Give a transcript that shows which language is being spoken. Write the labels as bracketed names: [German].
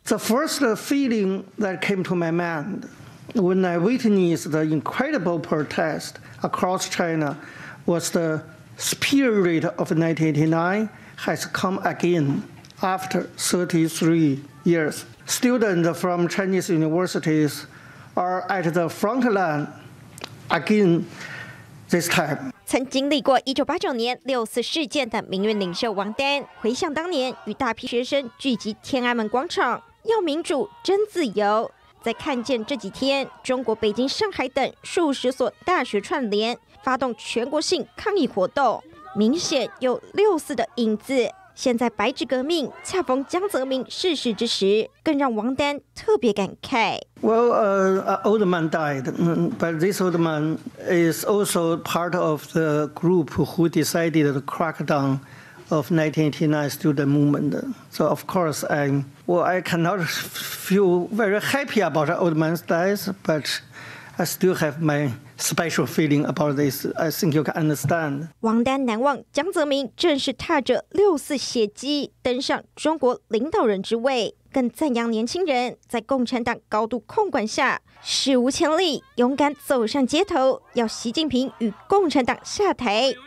[English] The first feeling that came to my mind when I witnessed the incredible protest across China was the spirit of 1989 has come again after 33 years. Students from Chinese universities are at the front line again this time. [Chinese] 曾经历过1989年六四事件的民运领袖王丹，回想当年与大批学生聚集天安门广场，要民主、争自由。在看见这几天中国北京、上海等数十所大学串联发动全国性抗议活动，明显有六四的影子。现在白纸革命恰逢江泽民逝世之时，更让王丹特别感慨。 [English] Well, old man died, but this old man is also part of the group who decided the crackdown of 1989 student movement. So of course, I cannot feel very happy about old man's death, but I still have my special feeling about this. I think you can understand. [Chinese] 王丹难忘江泽民正式踏着六四血迹登上中国领导人之位。更赞扬年轻人在共产党高度控管下史无前例勇敢走上街头，要习近平与共产党下台。